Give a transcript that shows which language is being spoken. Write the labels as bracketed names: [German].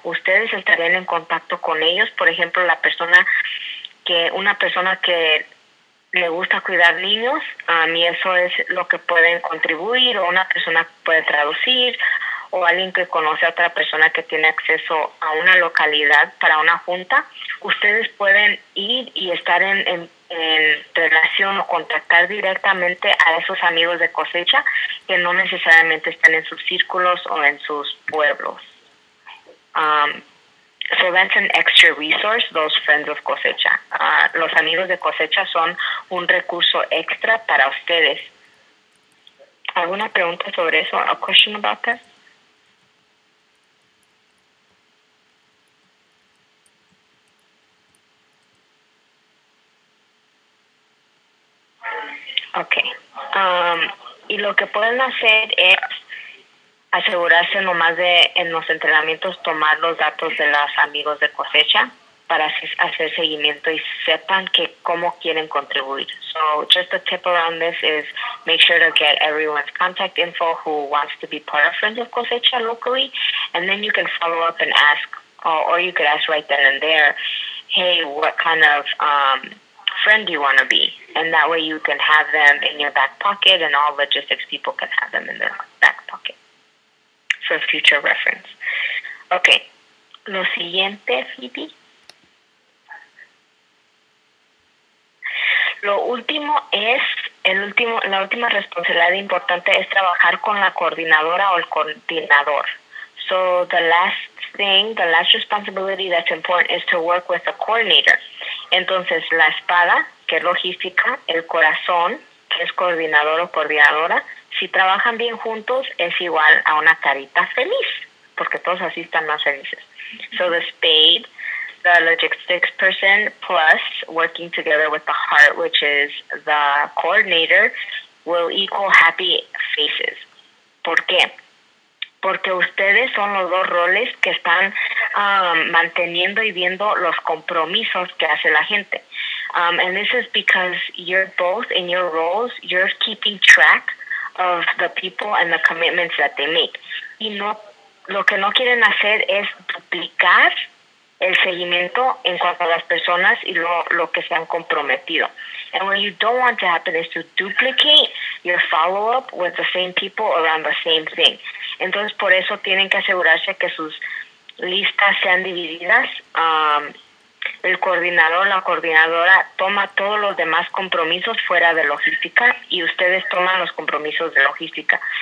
[Spanish] Ustedes estarían en contacto con ellos. Por ejemplo, una persona que le gusta cuidar niños, a mí eso es lo que pueden contribuir, o una persona que puede traducir, o alguien que conoce a otra persona que tiene acceso a una localidad para una junta. Ustedes pueden ir y estar en relación o contactar directamente a esos amigos de cosecha que no necesariamente están en sus círculos o en sus pueblos. [English] So that's an extra resource, those friends of cosecha. [Spanish] Los amigos de cosecha son un recurso extra para ustedes. ¿Alguna pregunta sobre eso? [English] A question about that? Okay. [Spanish] Y lo que pueden hacer es asegurarse nomás de en los entrenamientos tomar los datos de los amigos de cosecha para así hacer seguimiento y sepan que cómo quieren contribuir. [English] So just a tip around this is make sure to get everyone's contact info who wants to be part of Friends of Cosecha locally, and then you can follow up and ask, or you could ask right then and there, hey, what kind of friend do you want to be? And that way you can have them in your back pocket and all logistics people can have them in their back pocket for future reference. [Spanish] Okay. Lo siguiente, Phoebe. Lo último es, la última responsabilidad importante es trabajar con la coordinadora o el coordinador. [English] So the last thing, the last responsibility that's important is to work with the coordinator. [Spanish] Entonces, la espada, que es logística, el corazón, que es coordinador o coordinadora, si trabajan bien juntos, es igual a una carita feliz, porque todos así están más felices. [English] So the spade, the logistics person, plus working together with the heart, which is the coordinator, will equal happy faces. [Spanish] ¿Por qué? Porque ustedes son los dos roles que están manteniendo y viendo los compromisos que hace la gente. [English] And this is because you're both in your roles, you're keeping track of the people and the commitments that they make. [Spanish] Y no, lo que no quieren hacer es duplicar el seguimiento en cuanto a las personas y lo que se han comprometido. [English] And what you don't want to happen is to duplicate your follow-up with the same people around the same thing. [Spanish] Entonces, por eso tienen que asegurarse que sus listas sean divididas. El coordinador, la coordinadora, toma todos los demás compromisos fuera de logística y ustedes toman los compromisos de logística.